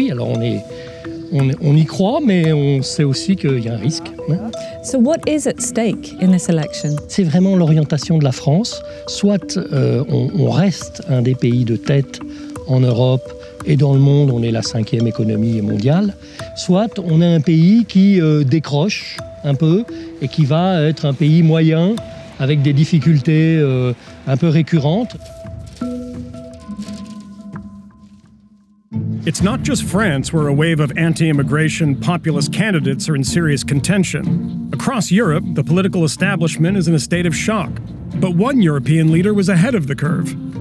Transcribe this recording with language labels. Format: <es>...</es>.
<fr>Oui, alors on y croit, mais on sait aussi qu'il y a un risque. Hein.</fr> <en>So what is at stake in this election?</en> <fr>C'est vraiment l'orientation de la France. Soit on reste un des pays de tête en Europe et dans le monde, on est la cinquième économie mondiale, soit on est un pays qui décroche un peu et qui va être un pays moyen avec des difficultés un peu récurrentes.</fr> <en>It's not just France where a wave of anti-immigration populist candidates are in serious contention. Across Europe, the political establishment is in a state of shock. But one European leader was ahead of the curve.</en>